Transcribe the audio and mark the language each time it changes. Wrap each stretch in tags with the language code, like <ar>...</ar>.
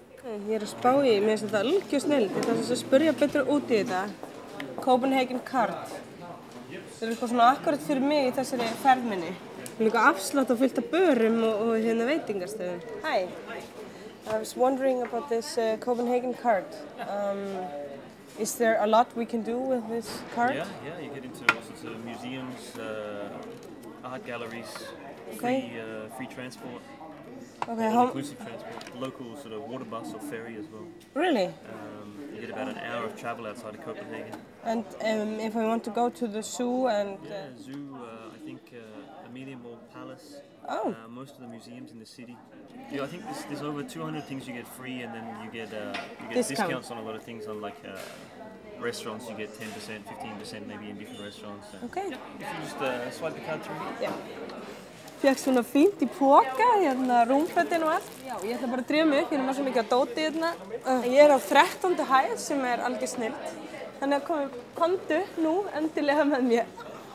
<is>ég er að spá í, mér finnst þetta algjör snillt. Ég þarf að spyrja betur út í þetta. Copenhagen card. Það eitthvað svona akkurat fyrir mig í þessari ferð minni. Líka afslátt og fyllt af börum og hérna veitingastöðum.</is> <en>Hi. I was wondering about this Copenhagen card. Is there a lot we can do with this card? Yeah, you get into all sorts of museums, art galleries, okay. free transport. Okay, inclusive transport, local sort of water bus or ferry as well. Really? You get about an hour of travel outside of Copenhagen. And if I want to go to the zoo and... Yeah, zoo, I think a medium old palace. Oh. Most of the museums in the city. Yeah, I think there's over 200 things you get free, and then you get discounts on a lot of things, on like restaurants you get 10%, 15% maybe in different restaurants. So. Okay. Yeah, if you just swipe the card through.</en> <is>Yeah. Fékk svona fínt í póka, hérna rúmfötin og allt. Já, ég ætla bara að drífa mig upp, hérna var svo mikið að dóti hérna. Ég á 13. hæð sem algjör snillt. Þannig að komdu nú endilega með mér.</is>